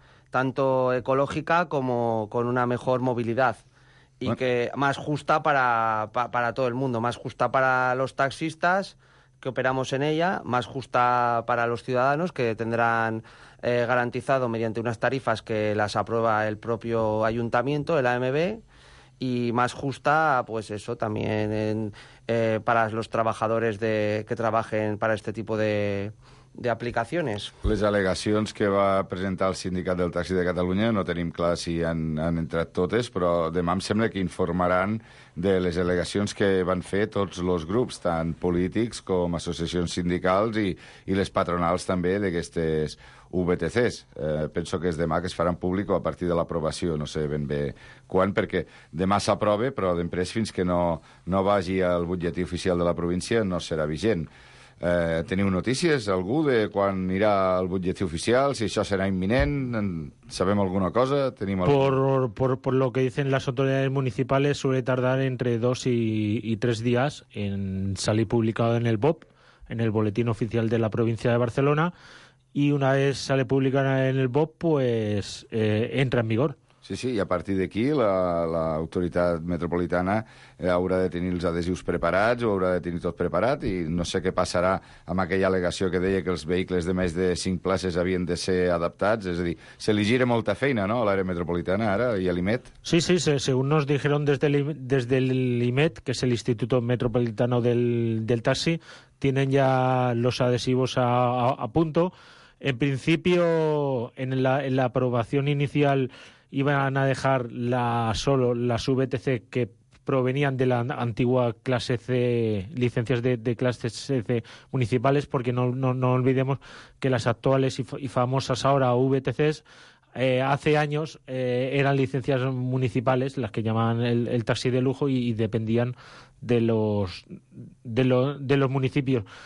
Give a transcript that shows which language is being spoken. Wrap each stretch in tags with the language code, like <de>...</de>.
<es>tanto ecológica como con una mejor movilidad, y bueno, que más justa para todo el mundo, más justa para los taxistas que operamos en ella, más justa para los ciudadanos que tendrán garantizado mediante unas tarifas que las aprueba el propio ayuntamiento, el AMB, y más justa, pues eso, también para los trabajadores que trabajen para este tipo de aplicaciones.</es> <ca>Les al·legacions que va presentar el Sindicat del Taxi de Catalunya, no tenim clar si han entrat totes, però demà em sembla que informaran de les al·legacions que van fer tots els grups, tant polítics com associacions sindicals i les patronals també d'aquestes VTCs. Penso que és demà que es faran públic o a partir de l'aprovació, no sé ben bé quan, perquè demà s'aprova, però d'emprès fins que no vagi al butlletí oficial de la província no serà vigent. Teniu notícies, algú, de quan anirà el butlletí oficial, si això serà imminent? ¿Sabem alguna cosa? ¿Tenim algú?</ca> <es>Por lo que dicen las autoridades municipales, suele tardar entre 2 y 3 días en salir publicado en el BOP, en el Boletín Oficial de la Provincia de Barcelona, y una vez sale publicado en el BOP, pues entra en vigor.</es> <ca>Sí, sí, i a partir d'aquí l'autoritat metropolitana haurà de tenir els adhesius preparats o haurà de tenir tot preparat, i no sé què passarà amb aquella al·legació que deia que els vehicles de més de 5 places havien de ser adaptats. És a dir, se li gira molta feina, no?, a l'àrea metropolitana, ara, i a l'IMET.</ca> <es>Sí, sí, sí, según nos dijeron desde l'IMET, que es el Instituto Metropolitano del Taxi, tienen ya los adhesivos a punto. En principio, en la aprobación inicial, iban a dejar solo las VTC que provenían de la antigua clase C, licencias de clase C municipales, porque no olvidemos que las actuales y famosas ahora VTCs, hace años eran licencias municipales, las que llamaban el taxi de lujo, y dependían de los municipios.</es>